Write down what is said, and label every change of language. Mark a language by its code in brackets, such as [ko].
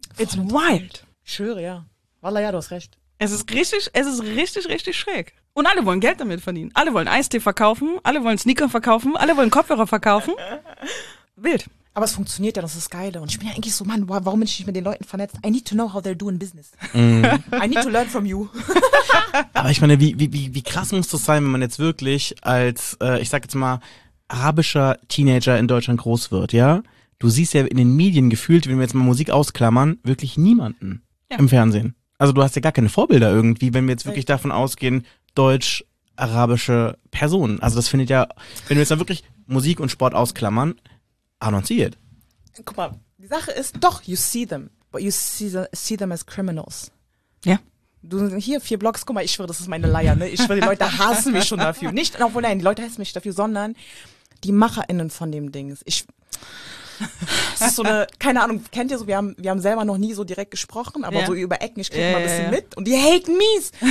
[en] It's wild. [de] Schwöre, ja. Walla, ja, du hast recht. Es ist richtig schräg. Und alle wollen Geld damit verdienen. Alle wollen Eistee verkaufen, alle wollen Sneaker verkaufen, alle wollen Kopfhörer verkaufen. Wild. Aber es funktioniert ja, das ist das Geile. Und ich bin ja eigentlich so, Mann, warum bin ich nicht mit den Leuten vernetzt? [en] I need to know how they're doing business. Mm. I need to learn from you. [de] Aber ich meine, wie krass muss das sein, wenn man jetzt wirklich als, ich sag jetzt mal, arabischer Teenager in Deutschland groß wird, ja? Du siehst ja in den Medien gefühlt, wenn wir jetzt mal Musik ausklammern, wirklich niemanden im Fernsehen. Also du hast ja gar keine Vorbilder irgendwie, wenn wir jetzt wirklich davon ausgehen, deutsch-arabische Personen. Also das findet ja, wenn wir jetzt mal wirklich Musik und Sport ausklammern, [en] I don't see it. [de] Guck mal, die Sache ist, doch, [en] you see them, but you see them as criminals. Ja. Yeah. [de] Du, hier, 4 Blocks, guck mal, ich schwöre, das ist meine Leier, ne? Ich schwöre, die Leute hassen mich schon dafür. Nicht, obwohl, nein, die Leute hassen mich dafür, sondern die MacherInnen von dem Ding. Es ist so eine, keine Ahnung, kennt ihr so, wir haben selber noch nie so direkt gesprochen, aber so über Ecken, ich kriege mal ein bisschen mit und die haten mies.